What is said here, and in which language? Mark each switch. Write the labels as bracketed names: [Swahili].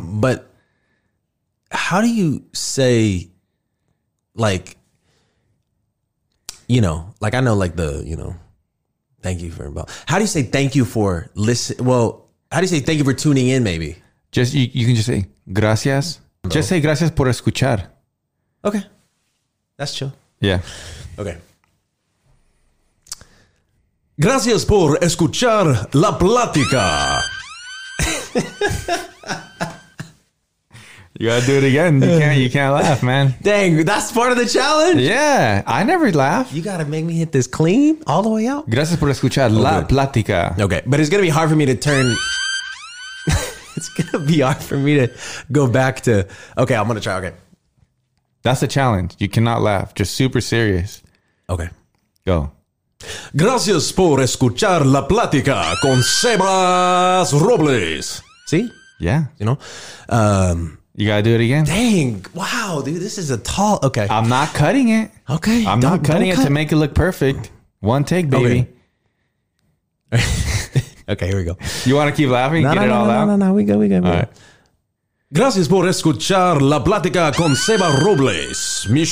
[English] But how do you say, like, you know, like I know, like the, you know, thank you for, how do you say thank you for listen? Well, how do you say thank you for tuning in, maybe? Just, you can just say, gracias. No. [Spanish] Just say gracias por escuchar. [English] Okay. That's chill. Yeah. Okay. [Spanish] Gracias por escuchar la plática. [English] You gotta do it again. You can't laugh, man. Dang, that's part of the challenge. Yeah. I never laugh. You gotta make me hit this clean all the way out. [Spanish] Gracias por escuchar la plática. [English] Okay. But it's gonna be hard for me to turn. It's going to be hard for me to go back to... Okay, I'm going to try. Okay. That's a challenge. You cannot laugh. Just super serious. Okay. Go. [Spanish] Gracias por escuchar la plática con Sebas Robles. [English] See? Yeah. You know? You got to do it again. Dang. Wow, dude. This is a tall... Okay. I'm not cutting it. Okay. I'm not cutting it to make it look perfect. One take, baby. Okay. Okay, here we go. You want to keep laughing? No, get it all out? No. We go. All right. [Spanish] Gracias por escuchar la plática con Seba Robles.